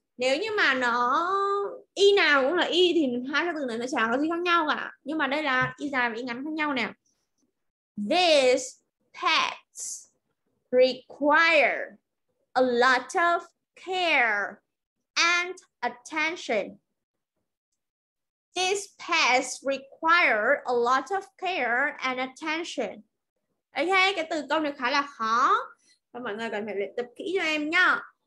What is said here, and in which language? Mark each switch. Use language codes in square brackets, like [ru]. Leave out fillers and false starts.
[vi] Nếu như mà nó y nào cũng là y thì hai cái từ này nó chẳng có gì khác nhau cả. Nhưng mà đây là y dài và y ngắn khác nhau nè. [en] This pets require a lot of care and attention. These pets require a lot of care and attention. [vi] Okay, cái từ câu này khá là khó. Và mọi người cần phải luyện tập kỹ cho em nhá.